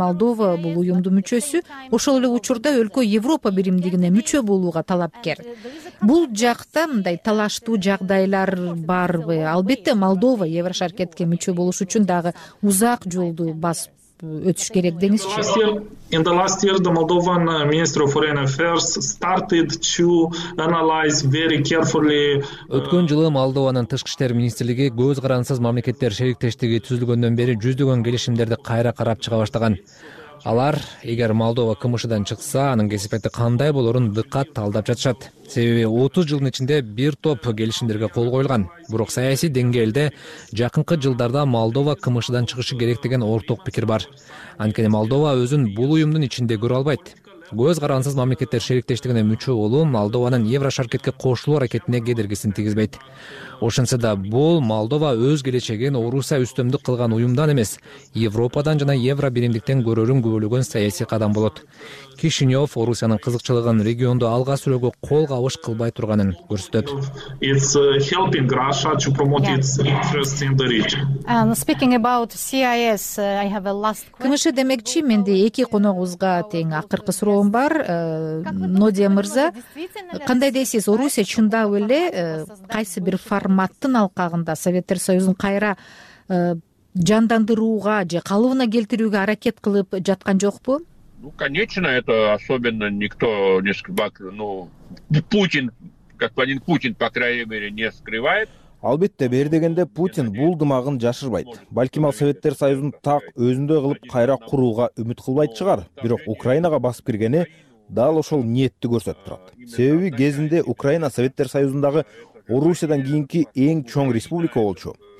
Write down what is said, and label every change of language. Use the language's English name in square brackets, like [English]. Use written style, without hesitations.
[Kyrgyz] Молдова бул уюмдун мүчөсү. Ошол эле учурда өлкө Европа биримдигине мүчө болууга талапкер. Бул жакта мындай талаштуу жагдайлар барбы? Албетте, Молдова Еврошаркетке мүчө болуш үчүн дагы узак жолду басып өтүш керек деңизчи. [English] In the last year, the Moldovan Ministry of Foreign Affairs started to analyze very carefully. [Kyrgyz] Өткөн жылы Молдованын тышкы иштер министрлиги көз карансыз мамлекеттер шериктештиги түзүлгөндөн бери жүздөгөн келишимдерди кайра карап чыга баштаган. Алар эгер Молдова КМШ-дан чыкса, анын кесепети кандай болорун дыкат талдап жатышат. Себеби 30 жылдын ичинде бир топ келишимдерге кол коюлган. Бирок саясий деңгээлде жакынкы жылдарда Молдова КМШ-дан чыгышы керек деген ортак пикир бар. Анткени Молдова өзүн бул уюмдун ичинде көрө албайт. Көз карансыз мамлекеттер шериктештигине мүчө болуу Молдованын Еврошаркетке кошулуу аракетине кедергисин тийгизбейт. Ошентсе да бул Молдова өз келечегин Орусия үстөмдүк кылган уюмдан эмес, Европадан жана Евро биримдиктен көрөрүн күбөлөгөн саясий кадам болот. Кишинев Орусиянын кызыкчылыгын региондо алга сүрөгө кол кабыш кылбай турганын көрсөтөт. [English] It's helping Russia to promote its interests in the region. And speaking about CIS, I have a last question. [Kyrgyz] КМШ демекчи, менде эки коногубузга тең акыркы суроом бар. Нодия мырза, кандай дейсиз, Орусия чындап эле кайсы бир форматтын алкагында Советтер Союзун кайра жандандырууга же калыбына келтирүүгө аракет кылып жаткан жокпу? [Russian] Ну, конечно, это особенно никто не скрывает, ну, Путин, господин Путин, по крайней мере, не скрывает. [Kyrgyz] Албетте, бери дегенде Путин бул дымагын жашырбайт. Балким ал Советтер Союзун так өзүндөй кылып кайра курууга үмүт кылбайт чыгар. Бирок Украинага басып киргени дал ошол ниетти көрсөтүп турат. Себеби кезинде Украина Советтер Союзундагы Орусиядан кийинки эң чоң республика болчу.